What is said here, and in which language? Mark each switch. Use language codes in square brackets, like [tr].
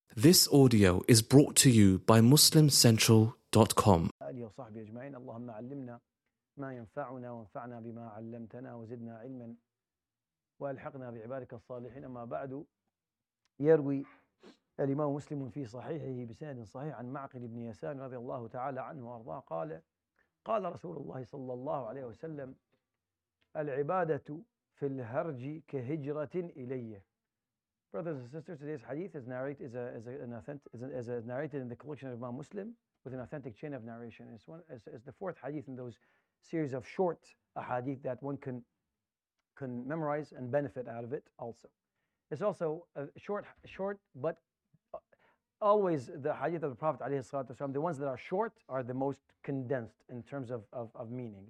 [en] This audio is brought to you by MuslimCentral.com. [ar] وصحبه اجمعين اللهم علمنا ما ينفعنا وانفعنا بما علمتنا وزدنا علما والحقنا بعبادك الصالحين اما بعد يروي الامام مسلم في صحيحه بسند صحيح عن معقل بن يسار رضي الله تعالى عنه وارضاه قال قال رسول الله صلى الله عليه وسلم العباده في الهرج كهجره الي. [en] Brothers and sisters, today's hadith is narrated is narrated in the collection of Imam Muslim with an authentic chain of narration. It's the fourth hadith in those series of short hadith that one can memorize and benefit out of it also. It's also a short, but always the hadith of the Prophet alayhi salatu wasalam, the ones that are short are the most condensed in terms of meaning.